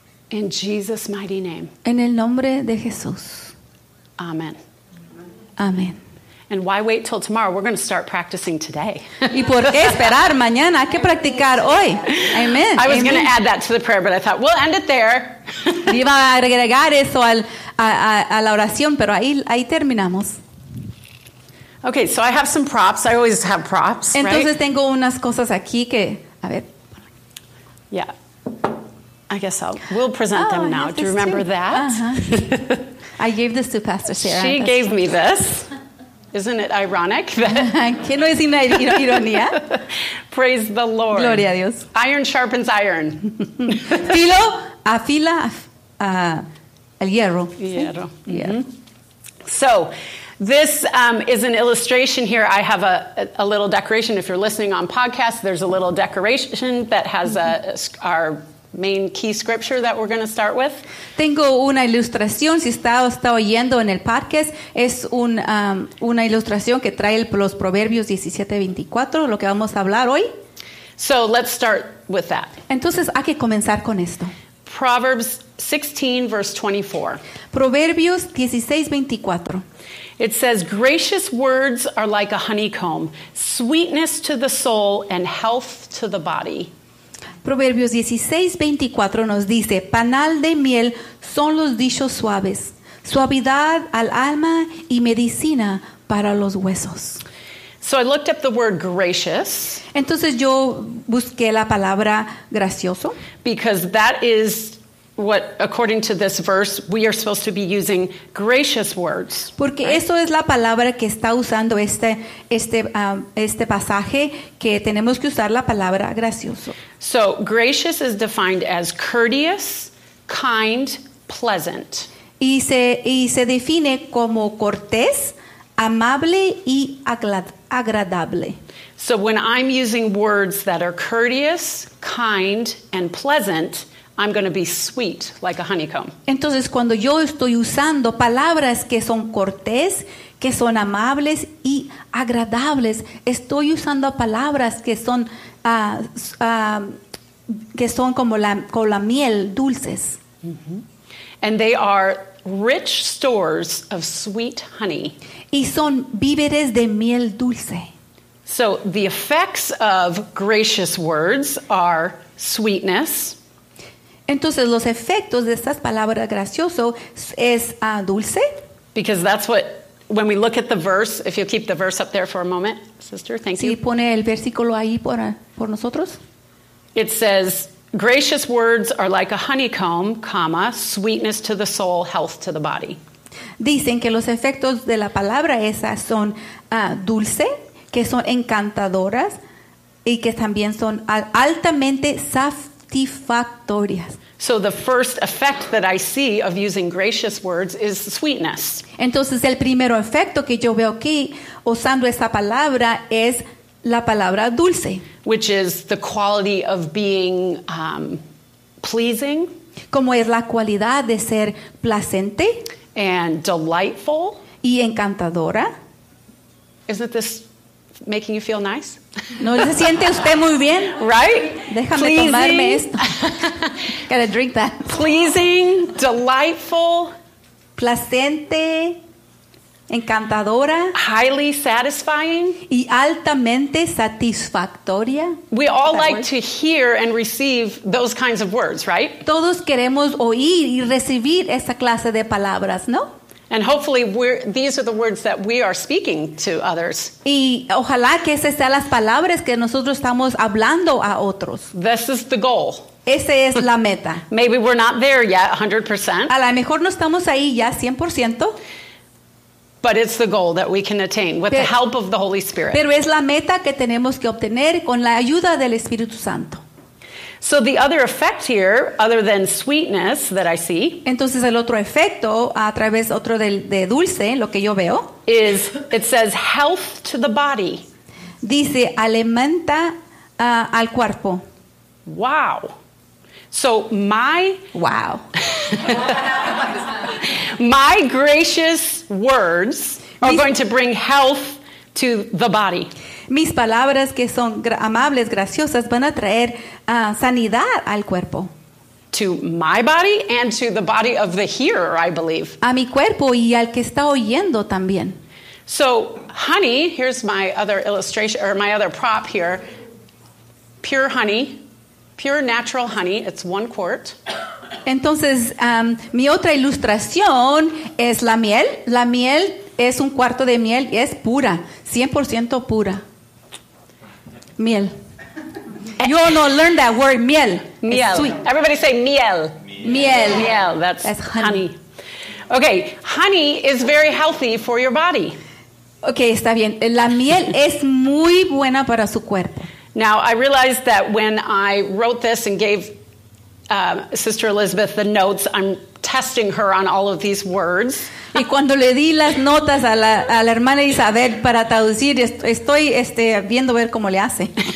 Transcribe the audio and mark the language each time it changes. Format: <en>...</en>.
<en>In Jesus' mighty name.</en> <es>En el nombre de Jesús.</es> <en>Amen. Amen. And why wait till tomorrow? We're going to start practicing today.</en> <es>¿Y por qué esperar mañana? Hay que practicar hoy. Amen.</es> <en>I was going to add that to the prayer, but I thought, we'll end it there.</en> <es>Iba a agregar eso a la oración, pero ahí terminamos.</es> <en>Okay, so I have some props. I always have props,</en> <es>entonces,</es> <en>right?</en> <es>Tengo unas cosas aquí que, a ver.</es> <en>Yeah. I guess we'll present them now. Do you remember that? Uh-huh. I gave this to Pastor Sarah. She gave me this. Isn't it ironic?</en> <es>¿Qué no es ironía?</es> <en>Praise the Lord.</en> <es>Gloria a Dios.</es> <en>Iron sharpens iron.</en> <es>Filo afila el hierro.</es> <en>Hierro. So, this is an illustration here. I have a little decoration. If you're listening on podcast, there's a little decoration that has our main key scripture that we're going to start with.</en> <es>Tengo una ilustración. Si está oyendo en el podcast, es una ilustración que trae los Proverbios 17:24, lo que vamos a hablar hoy.</es> <en>So let's start with that.</en> <es>Entonces hay que comenzar con esto.</es> <en>Proverbs 16, verse 24.</en> <es>Proverbios 16:24.</es> <en>It says, gracious words are like a honeycomb, sweetness to the soul and health to the body.</en> <es>Proverbios 16:24 nos dice, panal de miel son los dichos suaves, suavidad al alma y medicina para los huesos.</es> <en>So I looked up the word gracious.</en> <es>Entonces yo busqué la palabra gracioso.</es> <en>Because that is what, according to this verse, we are supposed to be using gracious words.</en> <es>Porque</es> <en>right?</en> <es>Eso es la palabra que está usando este pasaje, que tenemos que usar la palabra gracioso.</es> <en>So, gracious is defined as courteous, kind, pleasant.</en> <es>Y se define como cortés, amable y agradable.</es> <en>So, when I'm using words that are courteous, kind, and pleasant, I'm going to be sweet like a honeycomb.</en> <es>Entonces, cuando yo estoy usando palabras que son cortés, que son amables y agradables, estoy usando palabras que son como la miel, dulces. Mm-hmm.</es> <en>And they are rich stores of sweet honey.</en> <es>Y son víveres de miel dulce.</es> <en>So the effects of gracious words are sweetness.</en> <es>Entonces, los efectos de estas palabras gracioso es dulce.</es> <en>Because that's what, when we look at the verse, if you'll keep the verse up there for a moment, sister, thank</en> <es>you. Sí, pone el versículo ahí por nosotros.</es> <en>It says, gracious words are like a honeycomb, comma, sweetness to the soul, health to the body.</en> <es>Dicen que los efectos de la palabra esa son dulce, que son encantadoras, y que también son altamente satisfactorias.</es> <en>So the first effect that I see of using gracious words is sweetness.</en> <es>Entonces el primer efecto que yo veo aquí usando esta palabra es la palabra dulce.</es> <en>Which is the quality of being pleasing.</en> <es>Como es la cualidad de ser placente.</es> <en>And delightful.</en> <es>Y encantadora.</es> <en>Isn't this making you feel nice?</en> <es>¿No se siente usted muy bien?</es> <en>Right?</en> <es>Déjame</es> <en>pleasing.</en> <es>Tomarme esto.</es> <en>Gotta drink that. Pleasing, delightful.</en> <es>Placente. Encantadora,</es> <en>highly satisfying,</en> <es>y altamente satisfactoria.</es> <en>We all like to hear and receive those kinds of words, right?</en> <es>Todos queremos oír y recibir esa clase de palabras, ¿no?</es> <en>And hopefully these are the words that we are speaking to others.</en> <es>Y ojalá que esas sean las palabras que nosotros estamos hablando a otros.</es> <en>This is the goal.</en> <es>Esa es la meta.</es> <en>Maybe we're not there yet 100%.</en> <es>A lo mejor no estamos ahí ya 100%.</es> <en>But it's the goal that we can attain with the help of the Holy Spirit.</en> <es>Pero es la meta que tenemos que obtener con la ayuda del Espíritu Santo.</es> <en>So the other effect here, other than sweetness that I see,</en> <es>entonces el otro efecto a través otro de dulce, lo que yo veo,</es> <en>is it says health to the body.</en> <es>Dice alimenta al cuerpo.</es> <en>Wow. So my wow. My gracious words are going to bring health to the body.</en> <es>Mis palabras que son amables, graciosas, van a traer sanidad al cuerpo.</es> <en>To my body and to the body of the hearer, I believe.</en> <es>A mi cuerpo y al que está oyendo también.</es> <en>So, honey, here's my other illustration, or my other prop here. Pure honey, pure natural honey, it's 1 quart.</en> <es>Entonces, mi otra ilustración es la miel. La miel es 1/4 de miel y es pura, 100% pura. Miel.</es> <en>You all know, learn that word, miel.</en> <es>Miel.</es> <en>It's sweet. Everybody say miel.</en> <es>Miel.</es> <en>Miel, that's honey. Honey. Okay, honey is very healthy for your body.</en> <es>Okay, está bien. La miel es muy buena para su cuerpo.</es> <en>Now, I realized that when I wrote this and gave Sister Elizabeth the notes, I'm testing her on all of these words.</en> <es>Y cuando le di las notas a la hermana Isabel para traducir, estoy viendo ver cómo le hace.</es>